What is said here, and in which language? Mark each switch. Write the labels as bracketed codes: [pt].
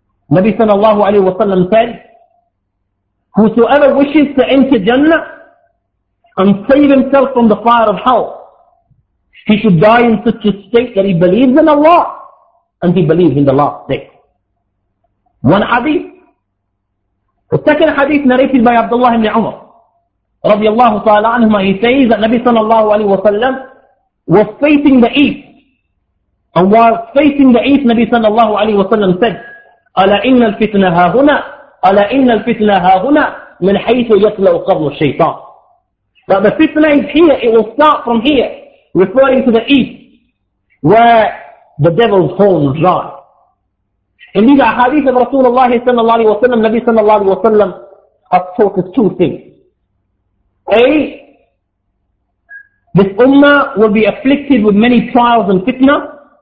[en] Nabi sallallahu alayhi wa sallam said, whosoever wishes to enter Jannah and save himself from the fire of hell, he should die in such a state that he believes in Allah and he believes in the last day. One hadith. The second hadith narrated by Abdullah ibn Umar radiallahu ta'ala anhuma, he says that Nabi sallallahu alayhi wa sallam was facing the east. And while facing the east, Nabi sallallahu alayhi wa sallam said, [ar] أَلَا إِنَّ الْفِتْنَ هَا هُنَا أَلَا إِنَّ الْفِتْنَ هَا هُنَا مِنْ حَيْثُ يَطْلَوْ قَرْنُ الشَّيْطَانِ. [en] But the fitna is here, it will start from here, referring to the east, where the devil's horns lie. Indeed, the hadith of Rasulullah sallallahu alayhi wa sallam, Nabi sallallahu alayhi wa sallam, has taught us two things. A, this ummah will be afflicted with many trials and fitna.